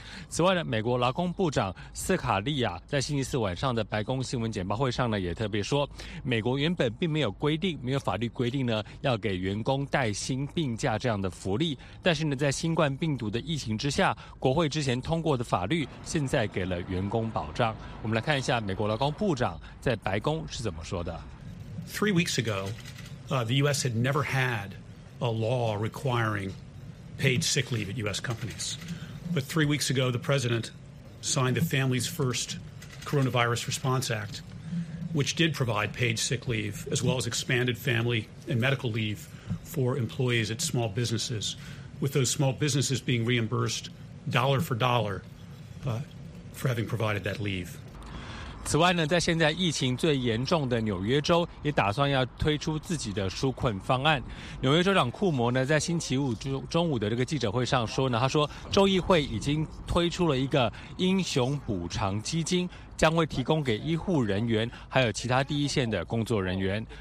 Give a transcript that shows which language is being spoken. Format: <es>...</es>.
<zh>此外呢，美国劳工部长斯卡利亚在星期四晚上的白宫新闻简报会上呢也特别说，美国原本并没有规定，没有法律规定呢要给员工带薪病假这样的福利，但是呢在新冠病毒的疫情之下，国会之前通过的法律现在给了员工保障。我们来看一下美国劳工部长在白宫是怎么说的。</zh> <en>3 weeks ago, the US had never had a law requiringpaid sick leave at U.S. companies. But 3 weeks ago, the president signed the Families First Coronavirus Response Act, which did provide paid sick leave, as well as expanded family and medical leave for employees at small businesses, with those small businesses being reimbursed dollar for dollar, for having provided that leave.</en> <zh>此外呢，在现在疫情最严重的纽约州也打算要推出自己的纾困方案。纽约州长库摩呢在星期五中午的这个记者会上说呢，他说州议会已经推出了一个英雄补偿基金，将会提供给医护人员还有其他第一线的工作人员。</zh>